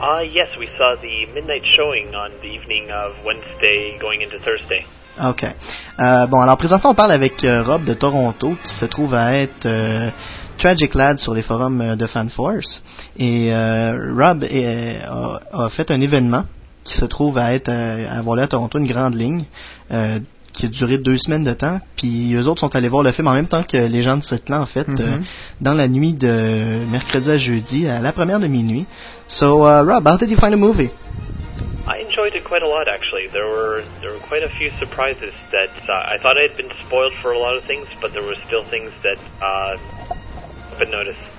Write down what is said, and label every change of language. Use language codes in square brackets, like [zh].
[en] Yes, we saw the midnight showing on the evening of Wednesday going into Thursday. Okay. [fr] Bon, alors présentement, on parle avec Rob de Toronto, qui se trouve à être Tragic Lad sur les forums de FanForce. Et Rob a fait un événement qui se trouve à être, avoir lieu à Toronto, une grande ligne, qui a duré 2 semaines de temps, puis eux autres sont allés voir le film en même temps que les gens de cette là, en fait, dans la nuit de mercredi à jeudi, à la première de minuit. [en] So, Rob, how did you find the movie? I enjoyed it quite a lot, actually. There were quite a few surprises that I thought I had been spoiled for a lot of things, but there were still things that I didn't notice.